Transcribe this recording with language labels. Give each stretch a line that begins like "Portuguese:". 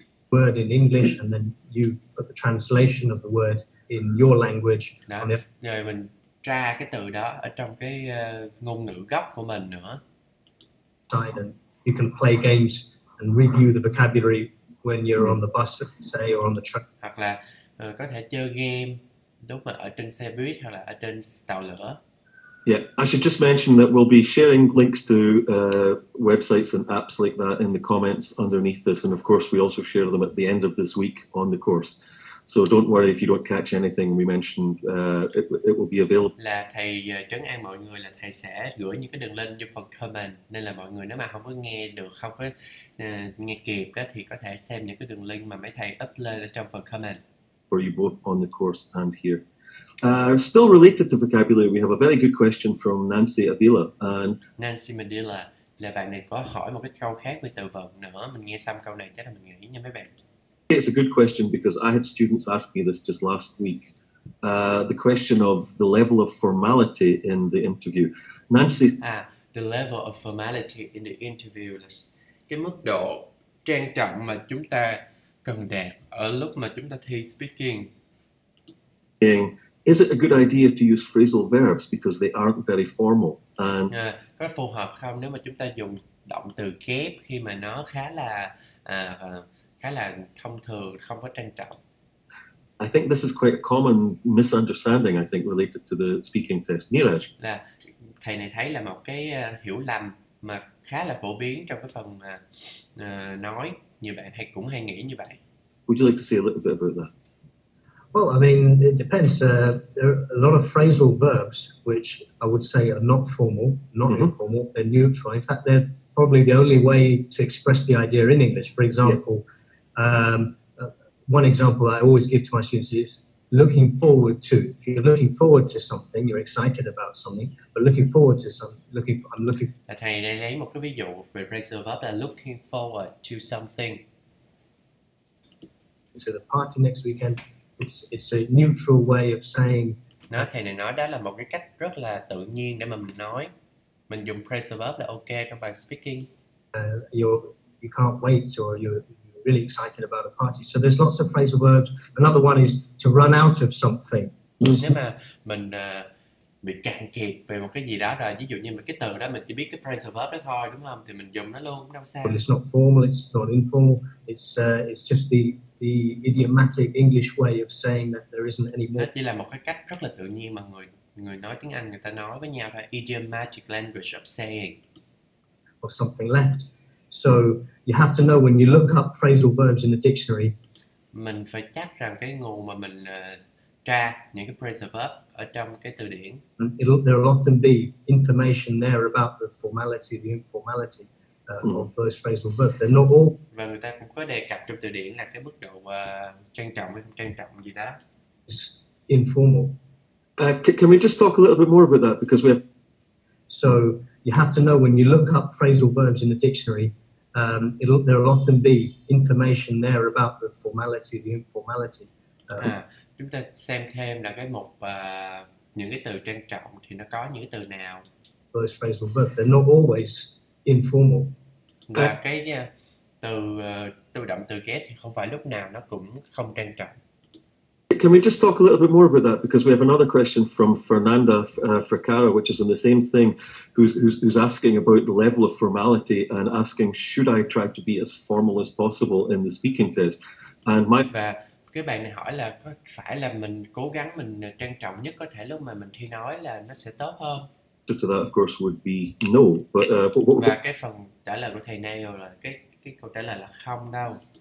English: Word in English and then you put the translation of the word in your language.
Vietnamese: Đó. Rồi mình tra cái từ đó ở trong cái ngôn ngữ gốc của mình nữa.
English: And you can play games and review the vocabulary when you're on the bus, say, or on the truck.
Vietnamese: Hoặc là có thể chơi game lúc mà ở trên xe buýt hoặc là ở trên tàu lửa.
English: Yeah, I should just mention that we'll be sharing links to websites and apps like that in the comments underneath this, and of course we also share them at the end of this week on the course. So don't worry if you don't catch anything we mentioned, it will be available.
Vietnamese: Là thầy trấn an mọi người là thầy sẽ gửi những cái đường link vô phần comment. Nên là mọi người nếu mà không có nghe được, không có nghe kịp đó, thì có thể xem những cái đường link mà mấy thầy up lên trong phần comment.
English: For you both on the course and here. Still related to vocabulary, we have a very good question from Nancy Avila.
Vietnamese: Nancy Medilla là bạn này có hỏi một cái câu khác về từ vựng nữa. Mình nghe xong câu này chắc là mình nghĩ nha mấy bạn.
English: It's a good question because I had students ask me this just last week. The question of the level of formality in the interview. Nancy. The level of formality in the interview
Vietnamese: là cái mức độ trang trọng mà chúng ta cần đạt ở lúc mà chúng ta thi speaking.
English: Is it a good idea to use phrasal verbs because they aren't very formal? And
Vietnamese: có phù hợp không nếu mà chúng ta dùng động từ kép khi mà nó khá là thông thường, không có trang trọng.
English: I think this is quite a common misunderstanding, I think, related to the speaking test. Neeraj.
Vietnamese: Là thầy này thấy là một cái hiểu lầm mà khá là phổ biến trong cái phần nói, như bạn hay cũng hay nghĩ như vậy.
English: Would you like to say a little bit about that? Well, I mean, it depends. There are a lot of phrasal verbs which I would say are not formal, not informal, they're neutral. In fact, they're probably the only way to express the idea in English. For example, one example I always give to my students is looking forward to. If you're looking forward to something, you're excited about something, but looking forward to something,
Vietnamese: Thầy đã lấy một cái ví dụ về phrasal verb là looking forward to something.
English: To the party next weekend, it's a neutral way of saying.
Vietnamese: Nó thầy này nói đó là một cái cách rất là tự nhiên để mà mình nói. Mình dùng phrasal verb là ok trong bài speaking.
English: You can't wait, or you're really excited about a party. So there's lots of phrasal verbs. Another one is to run out of something. Nếu mà mình bị cạn kiệt về một cái gì đó rồi, ví dụ như cái từ đó mình chỉ biết cái phrasal verb đó thôi, đúng không? Thì mình dùng nó luôn, đâu sao. But it's not formal, it's not informal. It's just the idiomatic English way of saying that there isn't any more.
Vietnamese: Nó chỉ là một cái cách rất là tự nhiên mà người nói tiếng Anh người ta nói với nhau, phải
English: idiomatic language of saying. Of something left. So you have to know when you look up phrasal verbs in the dictionary.
Vietnamese: Mình phải chắc rằng cái nguồn mà mình tra những cái phrasal verb ở trong cái từ điển.
English: There will often be information there about the formality, the informality of those phrasal verbs. They're not all.
Vietnamese: Và người ta cũng có đề cập trong từ điển là cái mức độ trang trọng hay không trang trọng gì đó.
English: It's informal. Can we just talk a little bit more about that because we have. So you have to know when you look up phrasal verbs in the dictionary, there will often be information there about the formality, the informality.
Vietnamese: Chúng ta xem thêm là cái mục những cái từ trang trọng thì nó có những cái từ nào.
English: Those phrasal verbs, they're not always informal.
Vietnamese: Và cái từ động từ ghép thì không phải lúc nào nó cũng không trang trọng.
English: Can we just talk a little bit more about that? Because we have another question from Fernanda Fracara, which is on the same thing, who's asking about the level of formality and asking, should I try to be as formal as possible in the speaking test? And my.
Vietnamese: Và cái bạn này hỏi là có phải là mình cố gắng mình trang trọng nhất có thể lúc mà mình thi nói là nó sẽ tốt hơn?
English: So to that, of course, would be no. But what
Vietnamese: cái phần trả lời của thầy Neil là cái câu trả lời là không đâu.